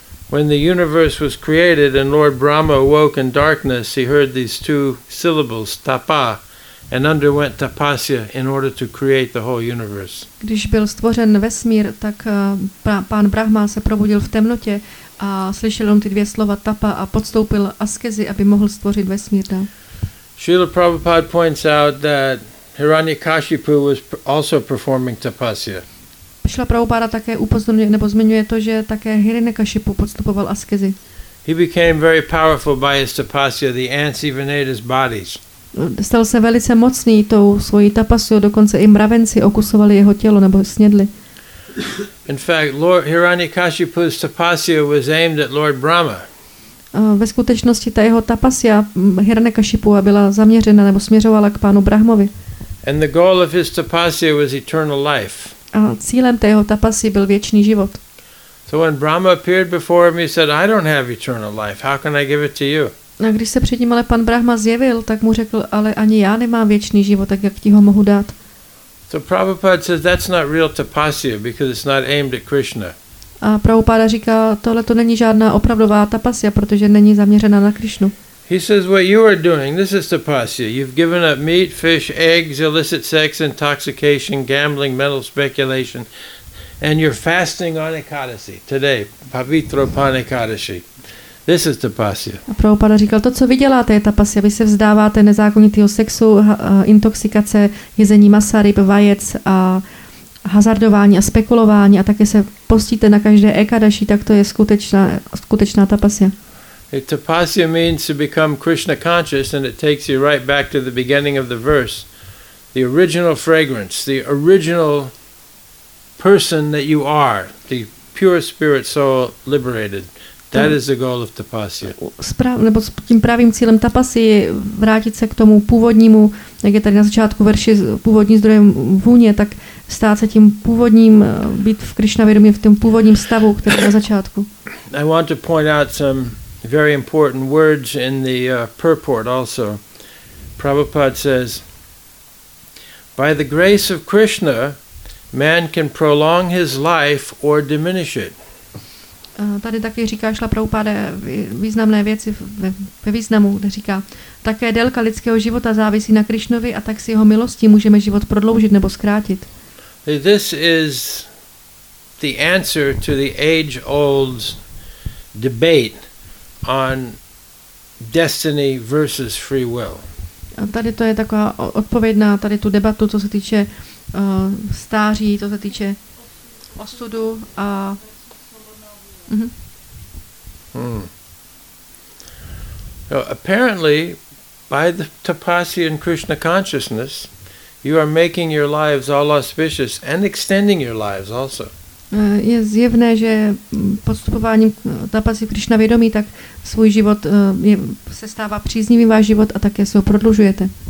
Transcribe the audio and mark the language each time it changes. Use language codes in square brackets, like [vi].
[en] When the universe was created and Lord Brahma awoke in darkness, he heard these two syllables, tapa, and underwent tapasya in order to create the whole universe. [cs] Když byl stvořen vesmír, tak pán Brahma se probudil v temnotě a slyšel on ty dvě slova tapa a podstoupil askezi, aby mohl stvořit vesmír. [en] Srila Prabhupada points out that Hiranyakashipu was also performing tapasya. [cs] Srila Prabhupada také upozorňuje nebo zmiňuje to, že také Hiranyakashipu podstupoval askezi. [en] He became very powerful by his tapasya, the ants even ate his bodies. [cs] Stal se velice mocný tou svojí tapasyou, dokonce i mravenci okusovali jeho tělo nebo snědli. [en] In fact, Lord Hiranyakashipu's tapasya was aimed at Lord Brahma. [cs] Ve skutečnosti ta jeho tapasya Hiranyakashipua byla zaměřena nebo směřovala k pánu Brahmovi. [en] And the goal of his tapasya was eternal life. [cs] A cílem té jeho tapasy byl věčný život. [en] So when Brahma appeared before him, he said, "I don't have eternal life. How can I give it to you?" [cs] A když se před ním ale pan Brahma zjevil, tak mu řekl, ale ani já nemám věčný život, tak jak ti ho mohu dát. [en] So Prabhupada says that's not real tapasya because it's not aimed at Krishna. [cs] A Prabhupada říká, tohle to není žádná opravdová tapasya, protože není zaměřena na Krishnu. [en] He says what you are doing, this is tapasya. You've given up meat, fish, eggs, illicit sex, intoxication, gambling, mental speculation, and you're fasting on Ekadasi today, pavitro pan Ekadasi. This is tapasya. [cs] A Prabhupada říkal, to, co vy děláte, je tapasya. Vy se vzdáváte nezákonitýho sexu, intoxikace, jezení masa, ryb, vajec a hazardování a spekulování a také se postíte na každé ekadaši, tak to je skutečná tapasya. [en] Tapasya means to become Krishna conscious and it takes you right back to the beginning of the verse. The original fragrance, the original person that you are, the pure spirit soul liberated. That is the goal of tapasya. [cs] Nebo tím pravým cílem tapasy je vrátit se k tomu původnímu, jak je tady na začátku verši, původní zdrojem vůně, tak stát se tím původním, být v Krishna vědomí v tom původním stavu, který na začátku. [en] I want to point out some very important words in the purport also. Prabhupada says, by the grace of Krishna, man can prolong his life or diminish it. [cs] Tady taky říká Šla Prabhupada významné věci ve významu, kde říká, také délka lidského života závisí na Krišnovi a tak si jeho milostí můžeme život prodloužit nebo zkrátit. [en] This is the answer to the age old debate on destiny versus free will. [cs] A tady to je taková odpověď na tady tu debatu, co se týče stáří, co se týče osudu a... [en] So apparently, by the Tapasian Krishna consciousness, you are making your lives all auspicious and extending your lives also. [cs] Je zjevné, že podstupováním tapasy Krishna vědomí, tak svůj život se stává příznivý váš život a také se ho prodlužujete.